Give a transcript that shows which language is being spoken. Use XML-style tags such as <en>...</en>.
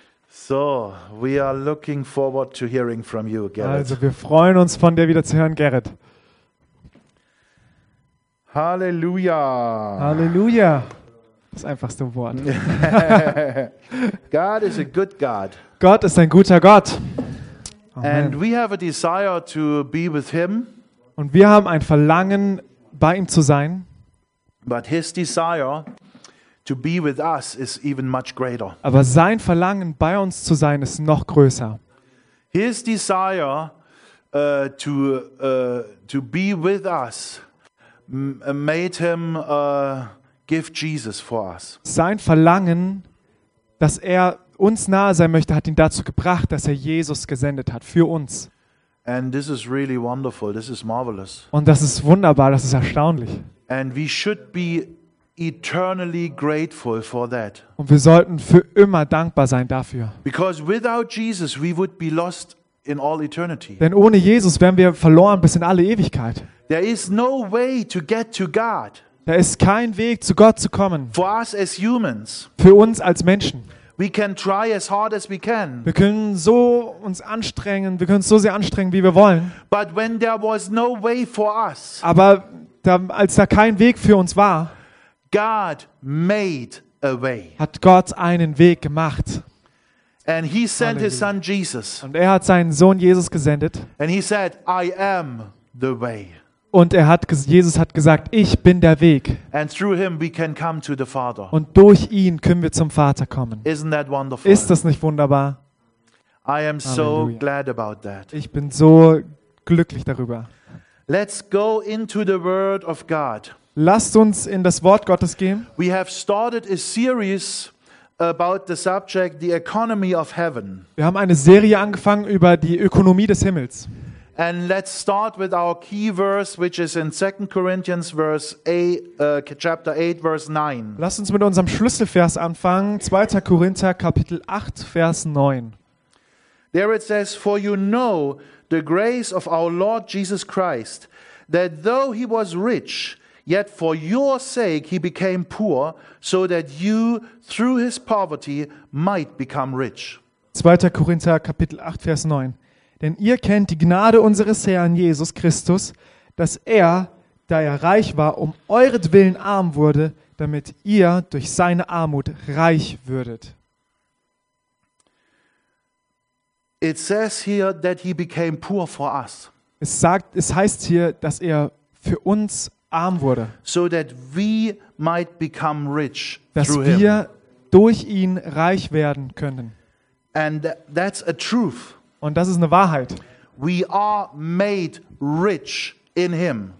<en>So, we are looking forward to hearing from you, Gerrit.</en> <de>Also, wir freuen uns, von dir wieder zu hören, Gerrit. Halleluja. Halleluja. Das einfachste Wort.</de> <en>God is a good God.</en> <de>Gott ist ein guter Gott.</de> <en>Amen. And we have a desire to be with him.</en> <de>Und wir haben ein Verlangen, bei ihm zu sein.</de> <en>But his desire to be with us is even much greater.</en> <de>Aber sein Verlangen, bei uns zu sein, ist noch größer.</de> <en>His desire to be with us made him give Jesus for us.</en> <de>Sein Verlangen, dass er uns nahe sein möchte, hat ihn dazu gebracht, dass er Jesus gesendet hat für uns.</de> <en>And this is really wonderful. This is marvelous.</en> <de>Und das ist wunderbar. Das ist erstaunlich.</de> <en>And we should be eternally grateful for that.</en> <de>Und wir sollten für immer dankbar sein dafür.</de> <en>Because without Jesus we would be lost in all eternity.</en> <de>Denn ohne Jesus wären wir verloren bis in alle Ewigkeit.</de> <en>There is no way to get to God.</en> <de>Da ist kein Weg zu Gott zu kommen.</de> <en>For us as humans.</en> <de>Für uns als Menschen.</de> <en>We can try as hard as we can.</en> <de>Wir können so uns anstrengen, wir können uns so sehr anstrengen, wie wir wollen.</de> <en>But when there was no way for us.</en> <de>Aber da, als da kein Weg für uns war.</de> <en>God made a way.</en> <de>Hat Gott einen Weg gemacht.</de> <en>And he sent his son Jesus.</en> <de>Und er hat seinen Sohn Jesus gesendet.</de> <en>And he said, I am the way.</en> <de>Und er hat Jesus hat gesagt, ich bin der Weg.</de> <en>And through him we can come to the Father.</en> <de>Und durch ihn können wir zum Vater kommen.</de> <en>Isn't that wonderful?</en> <de>Ist das nicht wunderbar?</de> <en>I am so glad about that.</en> <de>Ich bin so glücklich darüber.</de> <en>Let's go into the Word of God.</en> <de>Lasst uns in das Wort Gottes gehen.</de> <en>We have started a series about the subject, the economy of heaven.</en> <de>Wir haben eine Serie angefangen über die Ökonomie des Himmels.</de> <en>And let's start with our key verse, which is in 2 Corinthians verse 8, chapter 8, verse 9.</en> <de>Lass uns mit unserem Schlüsselvers anfangen, 2. Korinther, Kapitel 8, Vers 9.</de> <en>There it says, for you know the grace of our Lord Jesus Christ, that though he was rich, yet for your sake he became poor, so that you through his poverty might become rich.</en> <de>2. Korinther, Kapitel 8, Vers 9. Denn ihr kennt die Gnade unseres Herrn Jesus Christus, dass er, da er reich war, um euretwillen arm wurde, damit ihr durch seine Armut reich würdet.</de> <en>It says here that he became poor for us.</en> <de>Es heißt hier, dass er für uns arm wurde,</de> <en>so that we might become rich through</en> <de>Dass wir durch ihn reich werden können.</de> <en>And that's a truth.</en> <de>Und das ist eine Wahrheit.</de> <en>We are made rich in him.</en>